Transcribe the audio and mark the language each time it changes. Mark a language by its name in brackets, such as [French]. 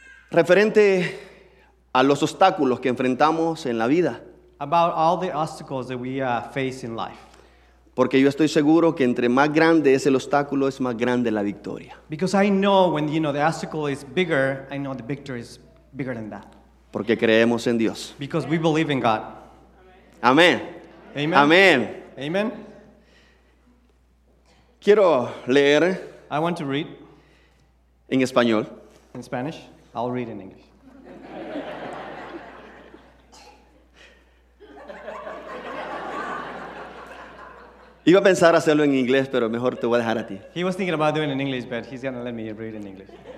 [Spanish] Referente a los obstáculos que enfrentamos en la vida. [English] About all the obstacles that we face in life. [Spanish] Porque yo estoy seguro que entre más grande es el obstáculo, es más grande la victoria. [English] Because I know when you know the obstacle is bigger, I know the victory is bigger than that. [Spanish] Porque creemos en Dios. [English] Because we believe in God. [Spanish] Amén. [English] Amen. [Spanish] Amén. [English] Amen. [Spanish] Quiero leer. [English] I want to read. [Spanish] En español. [English] In Spanish. I'll read in English. [Spanish] Iba a pensar hacerlo en inglés, pero mejor te voy a dejar a ti. [English] He was thinking about doing it in English, but he's going to let me read in English.